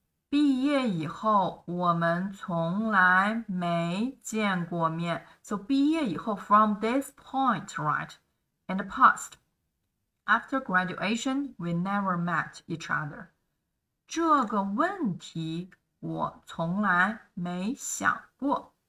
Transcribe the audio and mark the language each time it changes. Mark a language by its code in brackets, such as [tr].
[zh] 毕业以后，我们从来没见过面。 [en] So [zh] 毕业以后， [en] from this point，right？ In the past, after graduation, we never met each other. [zh] 这个问题我从来没想过。